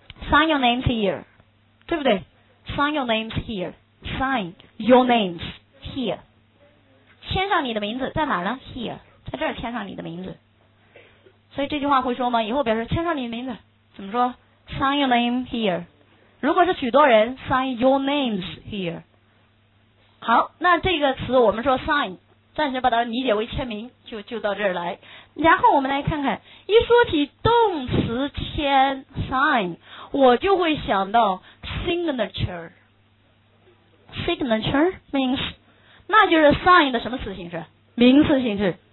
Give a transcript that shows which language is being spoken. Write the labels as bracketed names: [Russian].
[English] sign your names here， [Chinese] 对不对？ [English] sign your names here， sign your names here， [Chinese] 签上你的名字在哪呢？ here，在这儿签上你的名字。所以这句话会说吗？以后表示签上你的名字，怎么说？ [English] sign your name here。 [Chinese] 如果是许多人， [English] sign your names here。 [Chinese] 好，那这个词我们说 sign， 暂时把它理解为签名，就到这儿来。然后我们来看看，一说起动词签 sign， 我就会想到 signature。 [English] signature means， [Chinese] 那就是 sign 的什么词形式？名词形式。